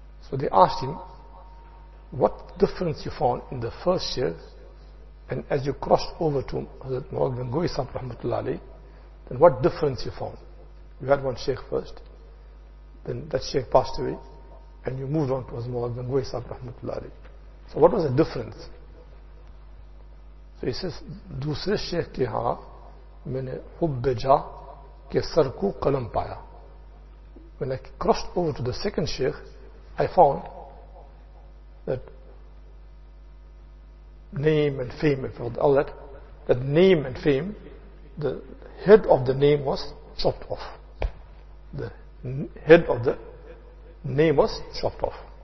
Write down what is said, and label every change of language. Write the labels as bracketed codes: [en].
[en] So they asked him, what difference you found in the first year, and as you crossed over to Hazrat Muawiyah bin Ghuwaysah rahmatullah alayh, then what difference you found? You had one sheikh first, then that sheikh passed away, and you moved on to Hazrat Muawiyah bin Ghuwaysah rahmatullah alayh. So what was the difference? So he says, [ur] دوسرے شیخ کے ہاں میں نے حب جا کے سر کو قلم پایا. [en] When I crossed over to the second sheikh, I found that name and fame, all that, that name and fame, the head of the name was chopped off. The head of the name was chopped off.